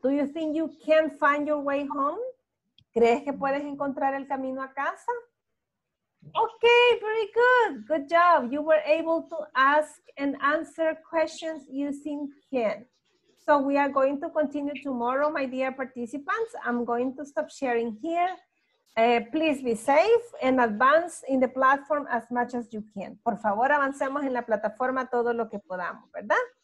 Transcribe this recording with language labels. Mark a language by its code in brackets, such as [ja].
[en] Do you think you can find your way home? [es] ¿Crees que puedes encontrar el camino a casa? [en] Okay, very good. Good job. You were able to ask and answer questions using can. So we are going to continue tomorrow, my dear participants. I'm going to stop sharing here. Please be safe and advance in the platform as much as you can. [es] Por favor, avancemos en la plataforma todo lo que podamos, ¿verdad?